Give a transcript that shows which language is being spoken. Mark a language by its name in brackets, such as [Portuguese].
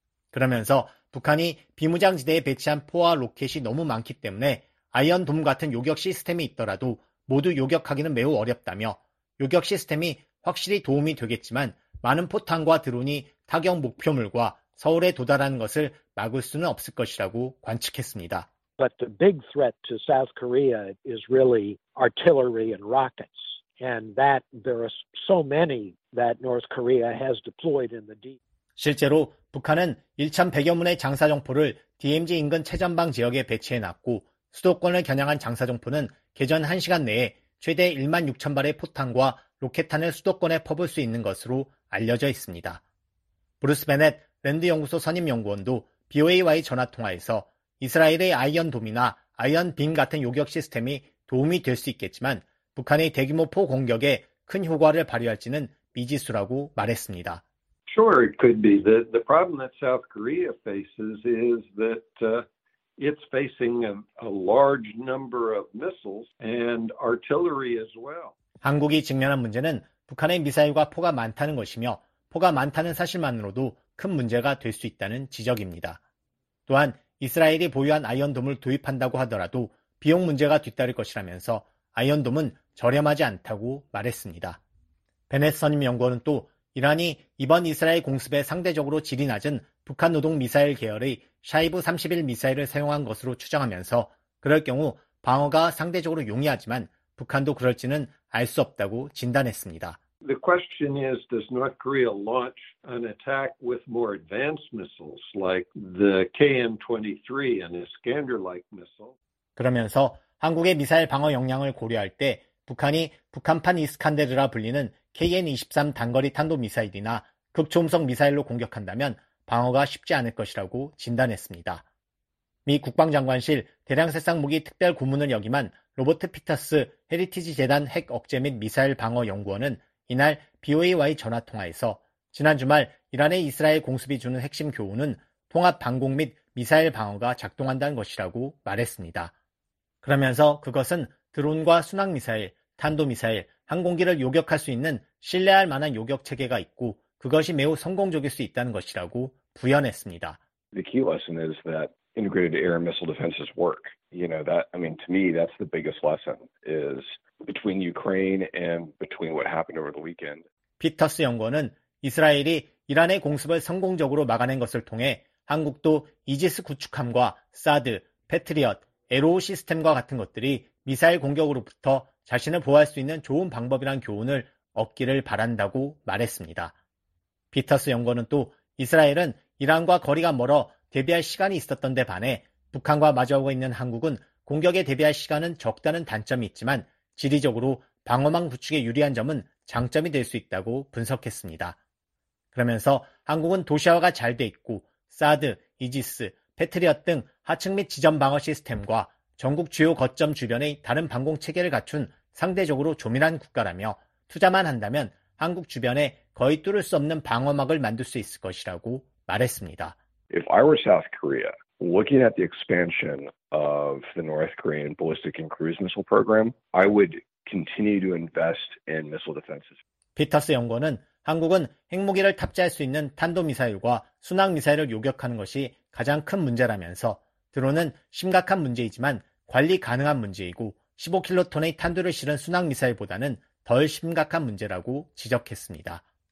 [Korean] 그러면서 북한이 비무장지대에 배치한 포와 로켓이 너무 많기 때문에 아이언돔 같은 요격 시스템이 있더라도 모두 요격하기는 매우 어렵다며 요격 시스템이 확실히 도움이 되겠지만 많은 포탄과 드론이 타격 목표물과 서울에 도달하는 것을 막을 수는 없을 것이라고 관측했습니다. [English] But the big threat to South Korea is really artillery and rockets. And that there are so many that North Korea has deployed in the deep. [Korean] 실제로 북한은 1,100여 문의 장사정포를 DMZ 인근 최전방 지역에 배치해 놨고 수도권을 겨냥한 장사정포는 개전 1시간 내에 최대 1만 6천 발의 포탄과 로켓탄을 수도권에 퍼부을 수 있는 것으로 알려져 있습니다. 브루스 베넷 랜드연구소 선임연구원도 BOA와의 전화통화에서 이스라엘의 아이언돔이나 아이언 빔 같은 요격 시스템이 도움이 될 수 있겠지만 북한의 대규모 포 공격에 큰 효과를 발휘할지는 미지수라고 말했습니다. [English] Sure, it could be. The problem that South Korea faces is that it's facing a large number of missiles and artillery as well. [Korean] 한국이 직면한 문제는 북한의 미사일과 포가 많다는 것이며 포가 많다는 사실만으로도 큰 문제가 될 수 있다는 지적입니다. 또한 이스라엘이 보유한 아이언돔을 도입한다고 하더라도 비용 문제가 뒤따를 것이라면서 아이언돔은 저렴하지 않다고 말했습니다. 베넷 선임 연구원은 또 이란이 이번 이스라엘 공습에 상대적으로 질이 낮은 북한 노동 미사일 계열의 샤이브 31 미사일을 사용한 것으로 추정하면서 그럴 경우 방어가 상대적으로 용이하지만 북한도 그럴지는 알 수 없다고 진단했습니다. [English] The question is, does North Korea launch an attack with more advanced missiles like the KN-23 and Iskander-like missile? [Korean] 그러면서 한국의 미사일 방어 역량을 고려할 때 북한이 북한판 이스칸데르라 불리는 KN-23 단거리 탄도미사일이나 극초음속 미사일로 공격한다면 방어가 쉽지 않을 것이라고 진단했습니다. 미 국방장관실 대량살상무기 특별고문을 역임한 로버트 피터스 헤리티지 재단 핵 억제 및 미사일 방어 연구원은 이날 BOA와의 전화통화에서 지난 주말 이란의 이스라엘 공습이 주는 핵심 교훈은 통합 방공 및 미사일 방어가 작동한다는 것이라고 말했습니다. 그러면서 그것은 드론과 순항미사일, 탄도미사일, 항공기를 요격할 수 있는 신뢰할 만한 요격체계가 있고 그것이 매우 성공적일 수 있다는 것이라고 부연했습니다. [English] The key lesson is that integrated air missile defenses work. You know, that, I mean, to me, that's the biggest lesson is between Ukraine and between what happened over the weekend. [Korean] 피터스 연구원은 이스라엘이 이란의 공습을 성공적으로 막아낸 것을 통해 한국도 이지스 구축함과 사드, 패트리엇, 에로우 시스템과 같은 것들이 미사일 공격으로부터 자신을 보호할 수 있는 좋은 방법이란 교훈을 얻기를 바란다고 말했습니다. 피터스 연구원은 또 이스라엘은 이란과 거리가 멀어 대비할 시간이 있었던 데 반해 북한과 마주하고 있는 한국은 공격에 대비할 시간은 적다는 단점이 있지만 지리적으로 방어망 구축에 유리한 점은 장점이 될 수 있다고 분석했습니다. 그러면서 한국은 도시화가 잘 돼 있고 사드, 이지스, 패트리엇 등 하층 및 지점 방어 시스템과 전국 주요 거점 주변의 다른 방공 체계를 갖춘 상대적으로 조밀한 국가라며 투자만 한다면 한국 주변에 거의 뚫을 수 없는 방어막을 만들 수 있을 것이라고 말했습니다. [English] If I were South Korea, looking at the expansion of the North Korean ballistic and cruise missile program, I would continue to invest in missile defenses. [Korean] 피터스 연구원은 한국은 핵무기를 탑재할 수 있는 탄도미사일과 순항미사일을 요격하는 것이 가장 큰 문제라면서 드론은 심각한 문제이지만 관리 가능한 문제이고 15킬로톤의 탄두를 실은 순항미사일보다는 덜 심각한 문제라고 지적했습니다.